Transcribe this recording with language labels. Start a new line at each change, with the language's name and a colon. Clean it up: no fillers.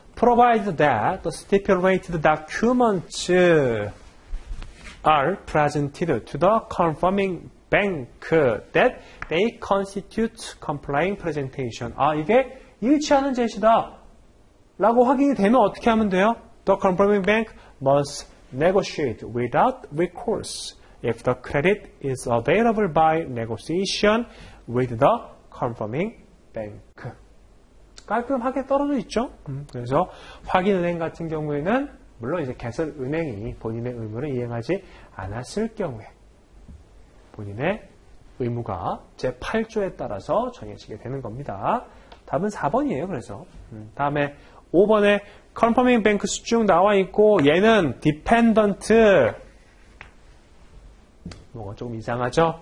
English: provided that the stipulated documents are presented to the confirming bank that they constitute complying presentation.
Korean: 아, 이게 일치하는 제시다 라고 확인이 되면 어떻게 하면 돼요?
English: The confirming bank must negotiate without recourse if the credit is available by negotiation with the confirming bank.
Korean: 깔끔하게 떨어져 있죠? 그래서 확인은행 같은 경우에는 물론 이제 개설은행이 본인의 의무를 이행하지 않았을 경우에 본인의 의무가 제8조에 따라서 정해지게 되는 겁니다. 답은 4번이에요. 그래서 다음에 5번에 Confirming Banks 쭉 나와 있고 얘는 Dependent 뭐가 조금 이상하죠?